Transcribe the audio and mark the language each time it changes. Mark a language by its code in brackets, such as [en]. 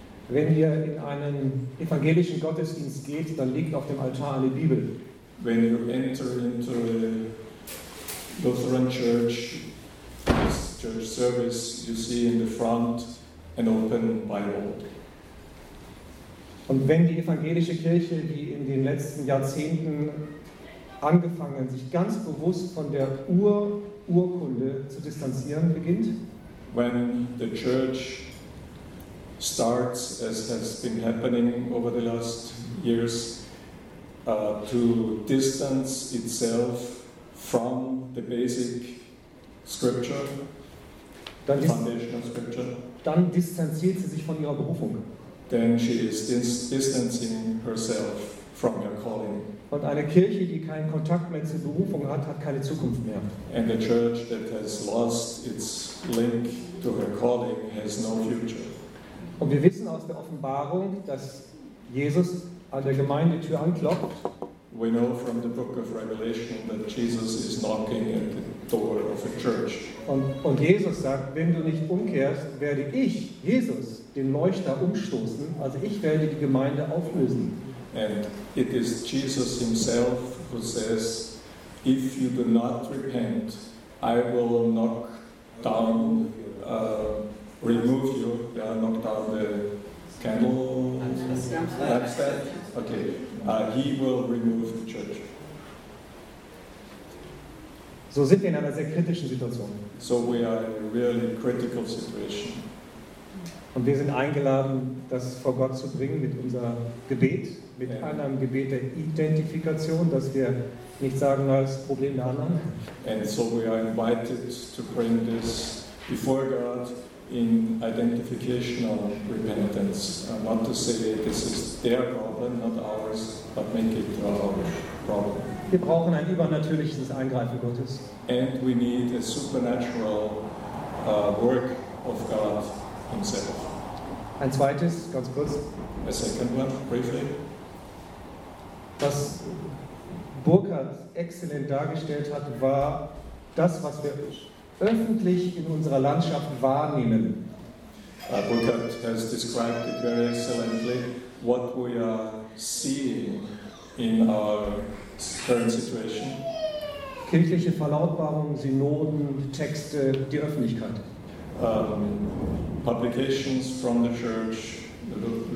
[de] Wenn ihr in einen evangelischen Gottesdienst geht, dann liegt auf dem Altar eine Bibel. [en] When you enter into a Lutheran church, this church service, you see in the front an open Bible. [de] Und wenn die evangelische Kirche, die in den letzten Jahrzehnten angefangen, sich ganz bewusst von der Urkunde zu distanzieren beginnt, [en] when the church starts, as has been happening over the last years, to distance itself from the basic scripture, [de] dann [en] the foundational scripture, [de] dann distanziert sie sich von ihrer Berufung. [en] Then she is distancing herself from her calling. [de] Und eine Kirche, die keinen Kontakt mehr zur Berufung hat, hat keine Zukunft mehr. [en] And the church that has lost its link to her calling has no future. [de] Und wir wissen aus der Offenbarung, dass Jesus an der Gemeindetür anklopft. [en] We know from the book of Revelation that Jesus is knocking at the door of a church. [de] Und Jesus sagt, wenn du nicht umkehrst, werde ich, Jesus, den Leuchter umstoßen, also ich werde die Gemeinde auflösen. [en] And it is Jesus himself who says, if you do not repent, I will knock down remove you, yeah, knock down the lampstand. Okay. He will remove the church. [de] So sind wir in einer sehr kritischen Situation. [en] So we are in a really critical situation. [de] Und wir sind eingeladen, das vor Gott zu bringen mit unserem Gebet, mit einem Gebet der Identifikation, dass wir nicht sagen, das ist Problem der anderen. [en] And so we are invited to bring this before God in identification or repentance. I want to say this is their problem, not ours, but make it our problem. [de] Wir brauchen ein übernatürliches Eingreifen Gottes. [en] And we need a supernatural work of God himself. [de] Ein zweites, ganz kurz. [en] A second one, briefly. [de] Was Burkhard exzellent dargestellt hat, war das, was wir öffentlich in unserer Landschaft wahrnehmen. [en] Burkhard has described it very excellently, what we are seeing in our current situation. [de] Kirchliche Verlautbarungen, Synoden, Texte, die Öffentlichkeit. [en] Publications from the church, the